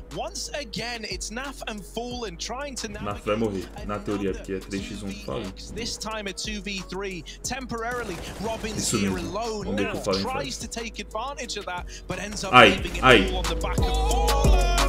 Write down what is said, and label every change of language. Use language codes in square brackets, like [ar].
[en] Once again, it's Naf and Fallen trying to navigate. [pt] Naf vai morrer, na teoria, porque é 3x1 do Fallen. [en] This time a 2v3, temporarily robbing here alone. Naf tries to take advantage of that, but ends up leaving it all on the back of Fallen.